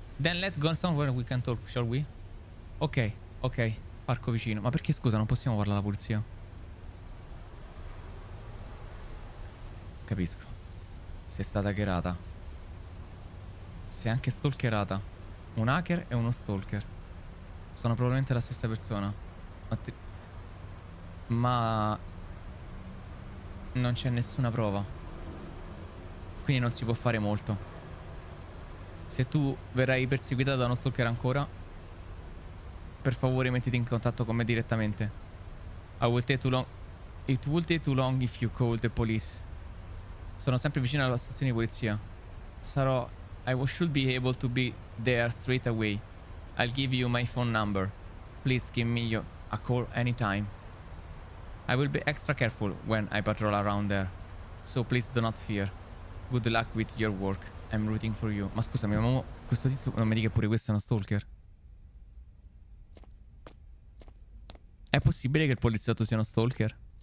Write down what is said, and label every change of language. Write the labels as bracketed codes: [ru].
[en] Then let's go somewhere we can talk, shall we? [it] Ok, ok. Parco vicino. Ma perché, scusa, non possiamo parlare alla polizia? Capisco. Sei stata hackerata. Sei anche stalkerata. Un hacker e uno stalker. Sono probabilmente la stessa persona. Ma non c'è nessuna prova. Quindi non si può fare molto. Se tu verrai perseguita da uno stalker ancora, per favore mettiti in contatto con me direttamente. [en] I will take too long. It will take too long if you call the police. [it] Sono sempre vicino alla stazione di polizia. Sarò... [en] I should be able to be there straight away. I'll give you my phone number. Please give me a call anytime. I will be extra careful when I patrol around there. So please do not fear. Good luck with your work. I'm rooting for you. [it] Ma scusami, ma questo tizio non mi dica pure questo è uno stalker? È possibile che il poliziotto sia uno stalker?